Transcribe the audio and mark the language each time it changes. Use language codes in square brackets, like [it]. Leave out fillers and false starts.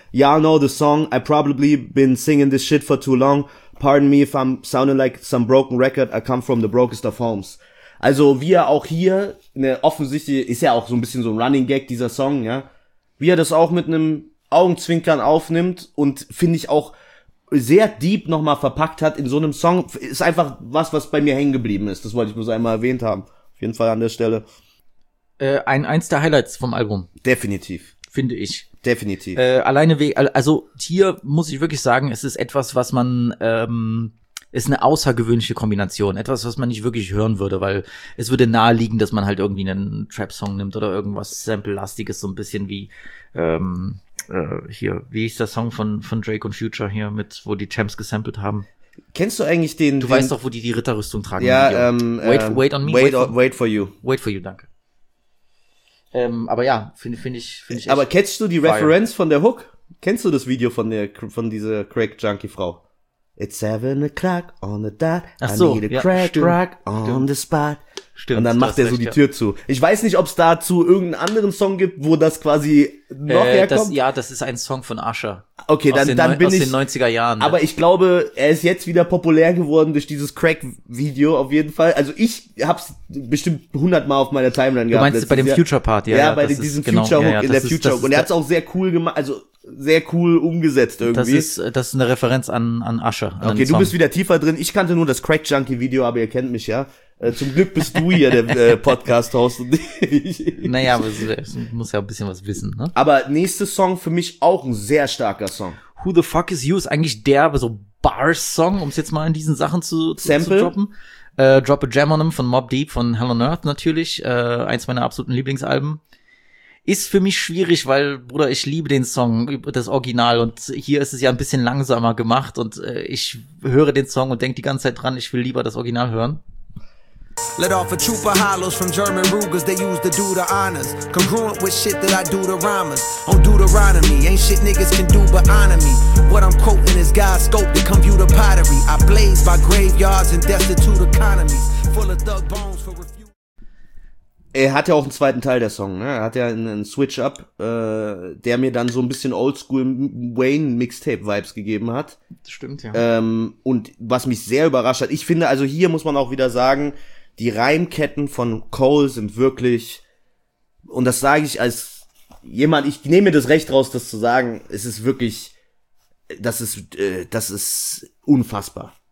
[en] Y'all know the song, I probably been singing this shit for too long. Pardon me if I'm sounding like some broken record, I come from the brokest of homes. [de] Also wie er auch hier, ne, offensichtlich ist ja auch so ein bisschen so ein Running Gag, dieser Song, ja, wie er das auch mit einem Augenzwinkern aufnimmt und finde ich auch sehr deep nochmal verpackt hat in so einem Song, ist einfach was bei mir hängen geblieben ist. Das wollte ich bloß einmal erwähnt haben. Auf jeden Fall an der Stelle. Eins der Highlights vom Album. Definitiv. Finde ich. Definitiv. Also hier muss ich wirklich sagen, es ist etwas, was man, ist eine außergewöhnliche Kombination. Etwas, was man nicht wirklich hören würde, weil es würde naheliegen, dass man halt irgendwie einen Trap-Song nimmt oder irgendwas Sample-lastiges, so ein bisschen wie, hier, wie ist der Song von Drake und Future hier mit, wo die Champs gesampelt haben? Kennst du eigentlich den? Du weißt doch, wo die Ritterrüstung tragen. Ja, Wait for you. Wait for you, danke. Aber ja, finde ich echt. Aber catchst du die Reference von der Hook? Kennst du das Video von dieser Crack Junkie Frau? [en] It's 7 o'clock on the dot. [de] Ach so, [en] I need a crack drug on the spot. [de] Stimmt, und dann macht er so die Tür zu. Ich weiß nicht, ob es dazu irgendeinen anderen Song gibt, wo das quasi noch herkommt. Das ist ein Song von Usher. Okay, aus den 90er Jahren. Aber ich glaube, er ist jetzt wieder populär geworden durch dieses Crack-Video auf jeden Fall. Also ich hab's bestimmt 100 Mal auf meiner Timeline gehabt. Du meinst bei dem Future-Part, ja. Ja, bei diesem Future-Hook in der Future-Hook. Und er hat's auch sehr cool gemacht, also sehr cool umgesetzt irgendwie. Das ist eine Referenz an Usher. Okay, du bist wieder tiefer drin. Ich kannte nur das Crack-Junkie-Video, aber ihr kennt mich, ja. Zum Glück bist du hier der Podcast-Host. Naja, aber ich muss ja ein bisschen was wissen, ne? Aber nächster Song für mich auch ein sehr starker Song. Who the Fuck Is You ist eigentlich der so Bars-Song, um es jetzt mal in diesen Sachen zu droppen. Drop a Jam on Him von Mobb Deep, von Hell on Earth natürlich. Eins meiner absoluten Lieblingsalben. Ist für mich schwierig, weil, Bruder, ich liebe den Song, das Original. Und hier ist es ja ein bisschen langsamer gemacht. Und ich höre den Song und denke die ganze Zeit dran, ich will lieber das Original hören. [en] Let off a troop of hollows from German Rugers, they used to do the honors. Congruent with shit that I do to rhymers. On Deuteronomy, ain't shit niggas can do but honor me. What I'm quoting is God's scope to compute a pottery. I blaze by graveyards and destitute economies. Full of thug bones for refuse. [de] Er hat ja auch einen zweiten Teil der Song, ne? Er hat ja einen Switch-Up, der mir dann so ein bisschen Oldschool Wayne-Mixtape-Vibes gegeben hat. Das stimmt, ja. Und was mich sehr überrascht hat, ich finde, also hier muss man auch wieder sagen, die Reimketten von Cole sind wirklich, und das sage ich als jemand, ich nehme mir das Recht raus, das zu sagen, es ist wirklich, das ist unfassbar.